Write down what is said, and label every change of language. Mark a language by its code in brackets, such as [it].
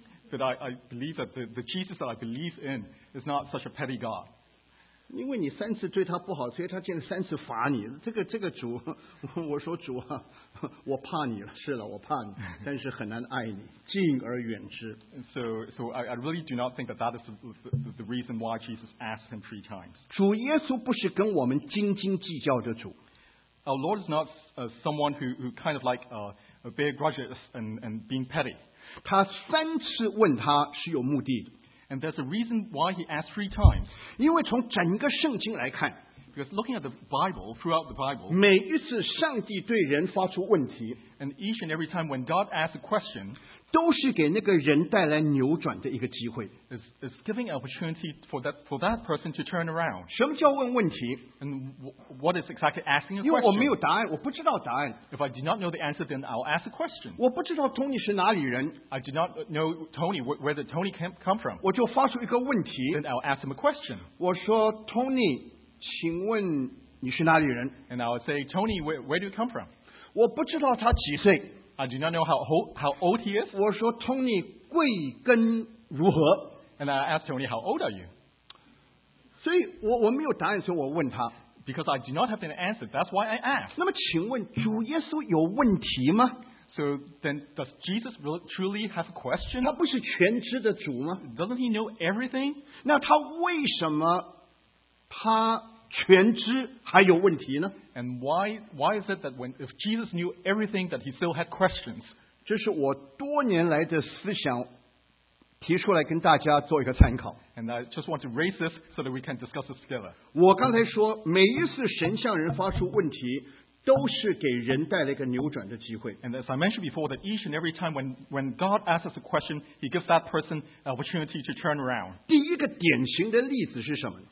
[en] But I believe that the Jesus that I believe in is not such a petty God. [zh] 因为你三次对他不好, 所以他见了三次罚你, 这个主, 我说主啊, 我怕你了, 是了, 我怕你, 但是很难爱你, 敬而远之。 [en] So I really do not think that that is the reason why Jesus asked him three times. [zh] 主耶稣不是跟我们斤斤计较的主。 [en] Our Lord is not someone who kind of like bear grudges and being petty. [zh] 他三次问他是有目的的。 [en] And there's a reason why he asked three times. [zh] 因为从整个圣经来看, [en] because looking at the Bible, throughout the Bible, [zh] 每一次上帝对人发出问题, [en] and each and every time when God asks a question, [zh] 都是给那个人带来扭转的一个机会, [en] is giving an opportunity for that person to turn around. [zh] 什么叫问问题? [en] And what is exactly asking a question? [zh] 因为我没有答案, 我不知道答案。 [en] If I do not know the answer, then I'll ask a question. [zh] 我不知道Tony是哪里人。 [en] I do not know Tony, where did Tony come from? [zh] 我就发出一个问题, [en] then I'll ask him a question. [zh] 我说Tony，请问你是哪里人? [en] And I'll say, Tony, where do you come from? [zh] 我不知道他几岁。 [en] I do not know how old he is. [zh] 我说, Tony, 贵庚如何? [en] And I asked Tony, how old are you? [zh] 所以我没有答案, [en] because I do not have an answer, that's why I asked. [zh] 那么请问主耶稣有问题吗? [en] So then does Jesus really, truly have a question? [zh] 他不是全知的主吗? [en] Doesn't he know everything? [zh] 那他为什么他 全知还有问题呢? [en] And why is it that when if Jesus knew everything that he still had questions? [zh] 这是我多年来的思想提出来跟大家做一个参考。 [en] And I just want to raise this so that we can discuss this together. [zh] 我刚才说每一次神向人发出问题 都是给人带来一个扭转的机会。 [en] And as I mentioned before, that each and every time when God asks us a question, He gives that person an opportunity to turn around. [zh] 第一个典型的例子是什么?